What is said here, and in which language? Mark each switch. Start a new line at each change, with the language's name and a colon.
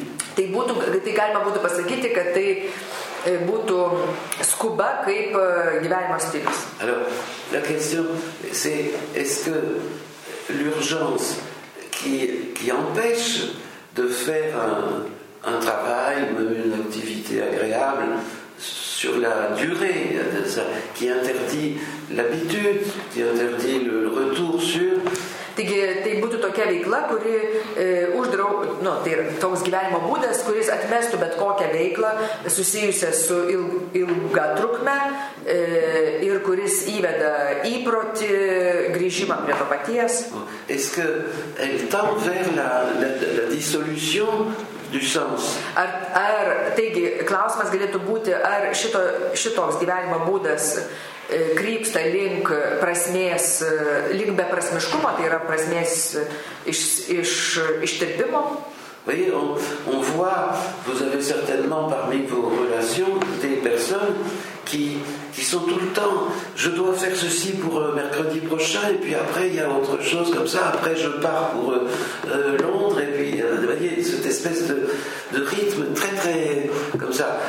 Lithuanian: Tai galima būtų pasakyti, kad tai būtų skuba kaip gyvenimo stilius.
French: Alors, la question, c'est est-ce que l'urgence qui empêche de faire un travail, une activité agréable sur la durée, qui interdit l'habitude, qui interdit le retour sur...
Lithuanian: Taigi, tai būtų tokia veikla, kuri tai yra toks gyvenimo būdas, kuris atmestų bet kokią veiklą susijusią su ilga trukme ir kuris įveda įprotį grįžimą prie to paties.
French: Est-ce qu'elle tend vers la dissolution du sens?
Lithuanian: Ar taigi, klausimas galėtų būti, ar šitoks gyvenimo būdas krypsta link prasmės, link beprasmiškumo, tai yra prasmės ištirpimo.
French: Oui, on voit, vous avez certainement parmi vos relations des personnes qui sont tout le temps, je dois faire ceci pour mercredi prochain, et puis après il y a autre chose comme ça, après je pars pour Londres, et puis vous voyez, cette espèce de rythme très très comme ça.